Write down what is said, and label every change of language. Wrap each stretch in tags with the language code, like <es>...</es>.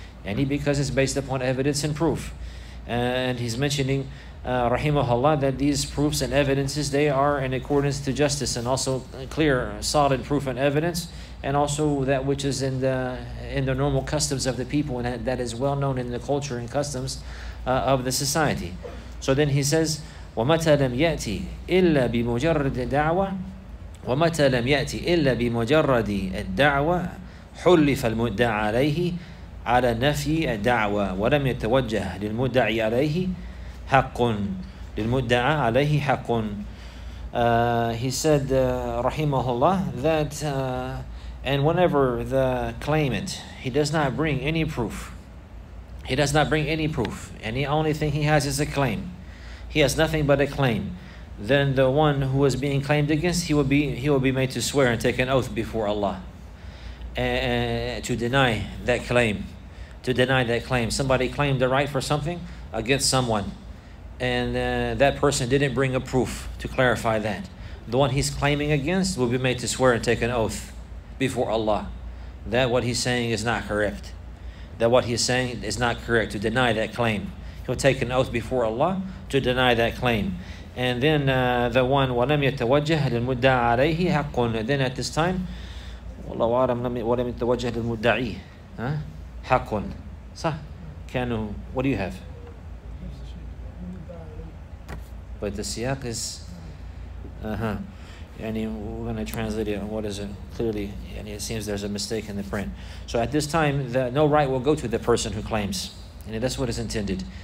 <en>And he, because it's based upon evidence and proof. And he's mentioning, Rahimahullah, that these proofs and evidences, they are in accordance to justice and also clear, solid proof and evidence, and also that which is in the normal customs of the people and that is well known in the culture and customs of the society. So then he says,</en> <ar>وَمَتَى لَمْ يَأْتِ إِلَّا بِمُجَرَّدِ الدَّعْوَى وَمَتَى لَمْ يَأْتِ إِلَّا بِمُجَرَّدِ الدَّعْوَى حُلِّفَ الْمُدَّعَ عَلَيْهِ عَلَى نَفْيِ الدَّعْوَى وَلَمْ يَتَوَجَّهَ لِلْمُدَّعِ عَلَيْهِ حَقٌّ لِلْمُدَّعَى عَلَيْهِ حَقٌ.</ar> <en>He said, Rahimahullah, that and whenever the claimant, he does not bring any proof. He does not bring any proof. And the only thing he has is a claim. He has nothing but a claim. Then the one who is being claimed against, he will be made to swear and take an oath before Allah to deny that claim. To deny that claim. Somebody claimed the right for something against someone. And that person didn't bring a proof to clarify that. The one he's claiming against will be made to swear and take an oath before Allah that what he's saying is not correct. That what he's saying is not correct to deny that claim. He'll take an oath before Allah to deny that claim. And then the one,</en> <ar>وَلَمْ يَتَوَجَّهَ لِلْمُدَّعَ عَلَيْهِ حَقٌ.</ar> <en>Then at this time,</en> <ar>وَاللَّهُ عَلَمْ وَلَمْ يَتَوَجَّهَ لِلْمُدَّعِي حَقٌ. صح. كانوا,</ar> <en>what do you have? But the siyaq is, and we're going to translate it. What is it? Clearly, and it seems there's a mistake in the print. So at this time, no right will go to the person who claims. And that's what is intended.</en>